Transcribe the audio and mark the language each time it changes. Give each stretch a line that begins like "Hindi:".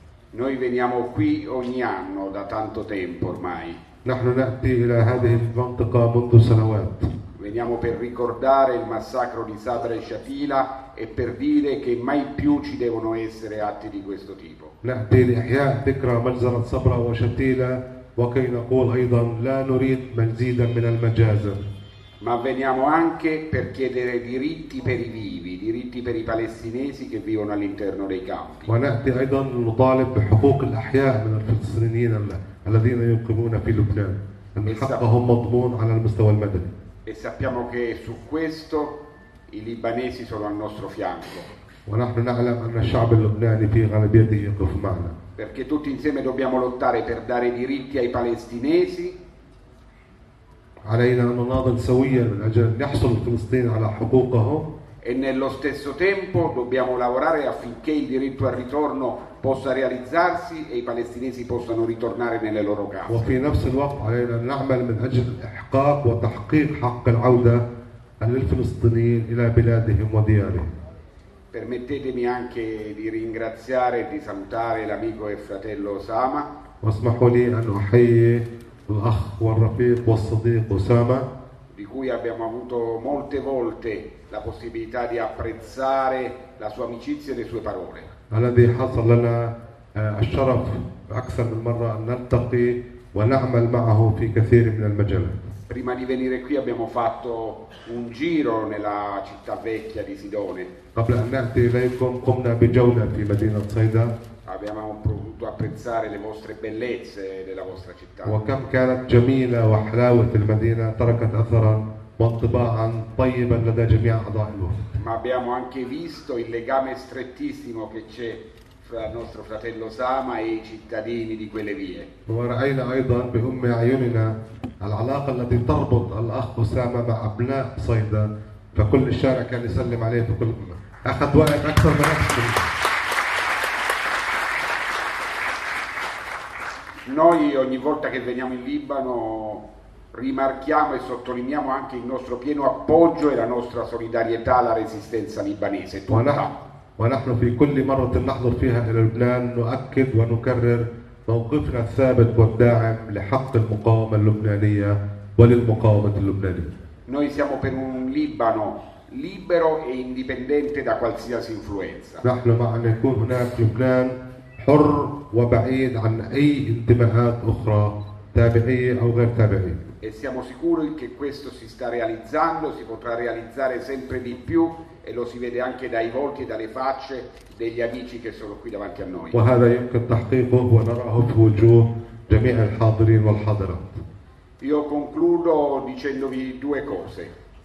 Italian: Noi veniamo qui ogni anno da tanto tempo ormai.
Arabic: نحن نأتي إلى هذه المنطقة منذ سنوات.
Italian: Veniamo per ricordare il massacro di Sabra e Shatila e per dire che mai più ci devono essere atti di questo tipo.
Arabic: نأتي لإحياء ذكرى مجزرة صبرا وشتيلة وكي نقول أيضا لا نريد مزيدا من المجازر.
Italian: Ma veniamo anche per chiedere diritti per i vivi, diritti per i palestinesi che vivono all'interno dei campi.
Arabic: ونأتي أيضا نطالب بحقوق الأحياء من الفلسطينيين الذين يقيمون في لبنان. أن حقهم مضمون على المستوى المدني.
Italian: E sappiamo che su questo i libanesi sono al nostro fianco.
Arabic: ونحن نعلم أن الشعب اللبناني في غالبيته يقف معنا.
Italian: Perché tutti insieme dobbiamo lottare per dare diritti ai palestinesi.
Arabic: علينا أن نناضل سويا من أجل أن يحصل الفلسطينيين على حقوقهم.
Italian: E nello stesso tempo dobbiamo lavorare affinché il diritto al ritorno possa realizzarsi e i palestinesi possano ritornare nelle loro case.
Arabic: وفي نفس الوقت علينا أن نعمل من أجل إحقاق وتحقيق حق العودة للفلسطينيين إلى بلادهم وديارهم.
Italian: Permettetemi anche di ringraziare e di salutare l'amico e fratello Osama.
Arabic: واسمحوا لي أن أحيي الأخ والرفيق والصديق أسامة.
Italian: Di cui abbiamo avuto molte volte la possibilità di apprezzare la sua amicizia e le sue parole.
Arabic: الذي حصل لنا الشرف أكثر من مرة أن نلتقي ونعمل معه في كثير من المجالات.
Italian: Prima di venire qui abbiamo fatto un giro nella città vecchia di Sidone.
Arabic: قبل أن نأتي إليكم قمنا بجولة في مدينة صيدا.
Italian: abbiamo potuto apprezzare le vostre bellezze della vostra città.
Arabic: وكم كانت جميلة وحلاوة المدينة تركت أثرا وانطباعا طيبا لدى جميع أعضاء الوفد.
Italian: Ma abbiamo anche visto il legame strettissimo che c'è fra il nostro fratello Sama e i cittadini di quelle vie.
Arabic: ورأينا أيضا بأم عيوننا العلاقة التي تربط الأخ أسامة مع أبناء صيدا فكل الشارع كان يسلم عليه بكل أخذ وقت أكثر من أكثر.
Italian: Noi ogni volta che veniamo in Libano rimarchiamo e sottolineiamo anche il nostro pieno appoggio e la nostra solidarietà alla resistenza libanese.
Arabic: ونحن في كل مرة نحضر فيها إلى لبنان نؤكد ونكرر موقفنا الثابت والداعم لحق المقاومة اللبنانية وللمقاومة اللبنانية.
Italian: Noi siamo per un Libano libero e indipendente da qualsiasi influenza.
Arabic: نحن مع أن يكون هناك لبنان حر وبعيد عن أي انتماءات أخرى تابعية أو غير تابعية.
Italian: E siamo sicuri che questo si sta realizzando, si potrà realizzare sempre di più e lo si vede anche dai volti e dalle facce degli amici che sono qui davanti a noi.
Arabic: وهذا يمكن تحقيقه ونراه في وجوه جميع الحاضرين والحاضرات.
Italian: Io concludo dicendovi due cose.